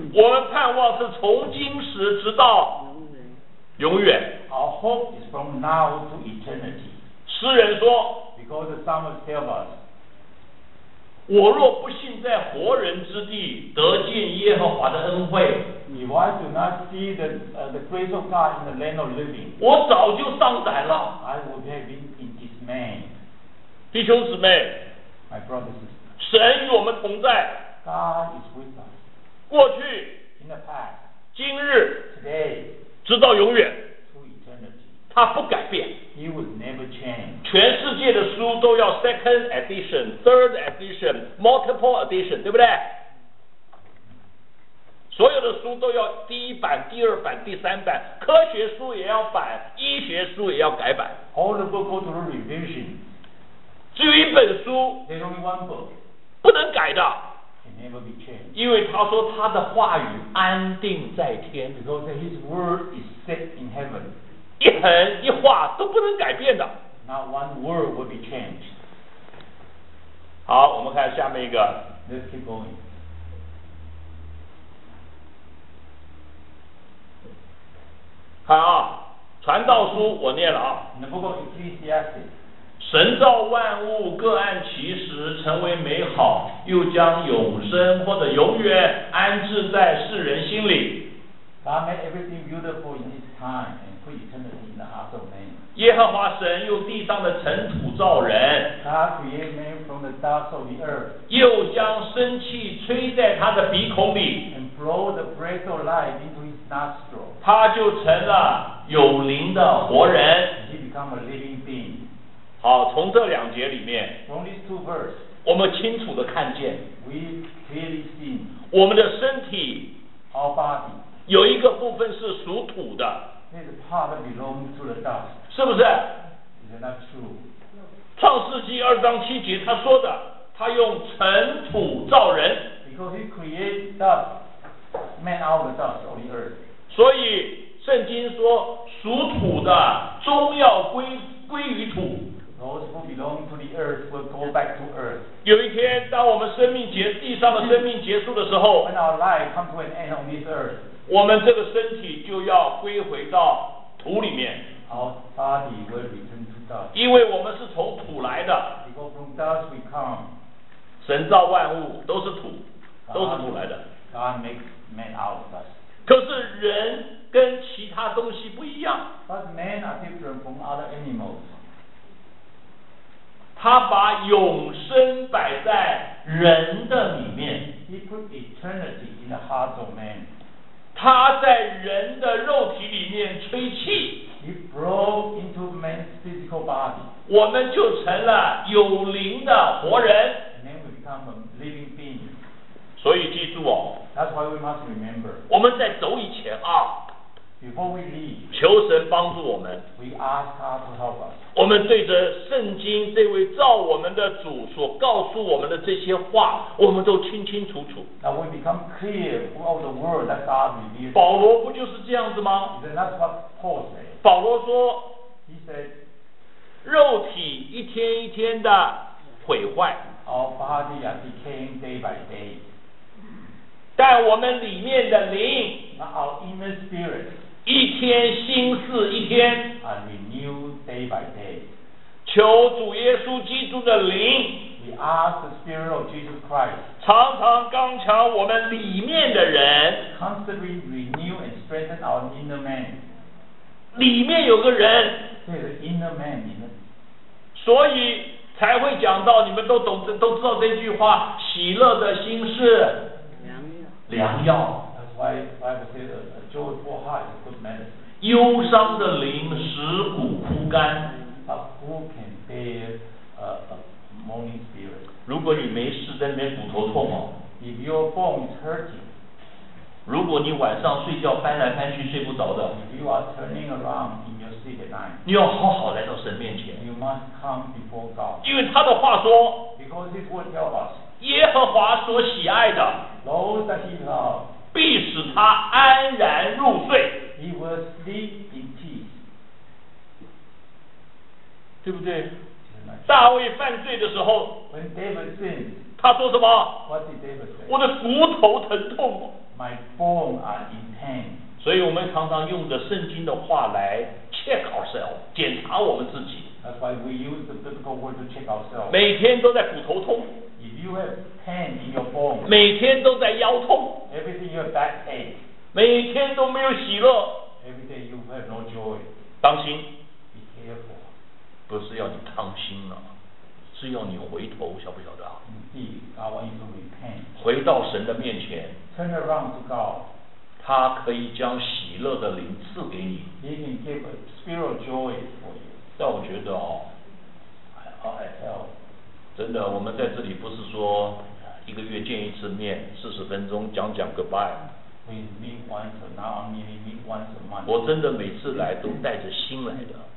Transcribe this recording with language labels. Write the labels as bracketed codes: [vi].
[zh] 我们盼望是从今时直到永远。 [en] Our hope is from now to eternity. [zh] 诗人说 [en] ，Because the psalmist tells us. [zh] 我若不幸在活人之地得见耶和华的恩惠 [en] If I do not see the grace of God in the land of living [zh] 我早就丧胆了 [en] I would have been in dismay [zh] 弟兄姊妹 [en] My brothers and sisters [zh] 神与我们同在 [en] God is with us [zh] 过去 [en] In the past [zh] 今日 [en] Today [zh] 直到永远 [en] To eternity [zh] 他不改变 [en] He would never change. [zh] 全世界的书都要 [en] second edition, third edition, multiple edition, [zh] 对不对？所有的书都要第一版、第二版、第三版，科学书也要版，医学书也要改版。 [en] All the books go to the revision. [zh] 只有一本书 [en] ，There's only one book. [zh] 不能改的。 [en] It never be changed. [zh] 因为他说他的话语安定在天。 [en] Because his word is set in heaven. [zh] 一横一画都不能改变的。 [en] Not one word will be changed. [zh] 好，我们看下面一个。 [en] Let's keep going. [zh] 看啊，传道书我念了啊。 [en] The book of Ecclesiastes. [zh] 神造万物，各按其时成为美好，又将永生或者永远安置在世人心里。 [en] God made everything beautiful in His time and put eternity in the heart of man. [zh] 耶和华神用地上的尘土造人。 [en] God created man from the dust of the earth. [zh] 又将生气吹在他的鼻孔里。 [en] And blow the breath of life into his nostril. [zh] 他就成了有灵的活人。 [en] He became a living being. [zh] 好，从这两节里面 [en] From these two verse, [zh] 我们清楚地看见 [en] we clearly see, [zh] 我们的身体 [en] our body, [zh] 有一个部分是属土的 [en] this part belongs to the dust, [zh] 是不是 [en] is that true? [zh] 创世纪二章七节他说的他用尘土造人 [en] because he created dust, man out of the dust of the earth. [zh] 所以圣经说属土的终要归于土 [en] Those who belong to the earth will go back to earth. [zh] 有一天当我们生命结地上的生命结束的时候 [en] When our life comes to an end on this earth [zh] 我们这个身体就要归回到土里面 [en] Our body will return to dust. [zh] 因为我们是从土来的 [en] Because from dust we come. [zh] 神造万物都是土都是土来的 [en] God makes man out of dust. [zh] 可是人跟其他东西不一样 [en] But men are different from other animals [zh] 他把永生摆在人的里面 [en] He put eternity in the heart of man [zh] 他在人的肉体里面吹气 [en] He blew into man's physical body [zh] 我们就成了有灵的活人 [en] And then we become a living being [zh] 所以记住哦 [en] That's why we must remember [zh] 我们在走以前啊 [en] Before we leave, [zh] 求神帮助我们 [en] we ask God to help us. [zh] 我们对着圣经这位造我们的主所告诉我们的这些话我们都清清楚楚 [en] Now we become clear of the word that God revealed. [zh] 保罗不就是这样子吗 [en] Then that's what Paul said. [zh] 保罗说 [en] He said, [zh] 肉体一天一天的毁坏 [en] Our body are decaying day by day. [zh] 但我们里面的灵 [en] Not our inner spirit. [zh] 一天新似一天 [en] are renewed day by day. [zh] 求主耶稣基督的灵 [en] We ask the Spirit of Jesus Christ [zh] 常常刚强我们里面的人 [en] Constantly renew and strengthen our inner man [zh] 里面有个人 [en] The inner man [zh] 里面所以才会讲到你们都懂都知道这句话喜乐的心是良药 [en] That's why Bible says that Joyful heart is good medicine. [zh] 忧伤的灵使骨枯干 [en] But who can bear a mourning spirit? [zh] 如果你没事在那边骨头痛哦 [en] If your bone is hurting, [zh] 如果你晚上睡觉翻来翻去睡不着的 [en] If you are turning around in your sleep at night, [zh] 你要好好来到神面前 [en] You must come before God. [zh] 因为他的话说 [en] Because his word tells us, [zh] 耶和华所喜爱的 [en] Those that he loves, [zh] 必使他安然入睡 [en] He will sleep in peace [zh] 对不对大卫犯罪的时候 [en] When David sinned [zh] 他说什么 [en] What did David say? [zh] 我的骨头疼痛 [en] My bones are in pain [zh] 所以我们常常用着圣经的话来 [en] check ourselves [zh] 检查我们自己 [en] That's why we use the biblical word to check ourselves [zh] 每天都在骨头痛 [en] If you have pain in your bones, [zh] 每天都在腰痛 [en] Everything you have backache [zh] 每天都没有喜乐 [en] Every day you have no joy [zh] 当心 [en] Be careful [zh] 不是要你当心了是要你回头晓不晓得 [en] Indeed, I want you to repent [zh] 回到神的面前 [en] Turn around to God [zh] 他可以将喜乐的灵赐给你 [en] He can give a spirit of joy for you [zh] 但我觉得 [en] I help [zh] 真的我们在这里不是说一个月见一次面四十分钟讲讲 goodbye [en] We meet once a month, we meet once a month [zh] 我真的每次来都带着心来的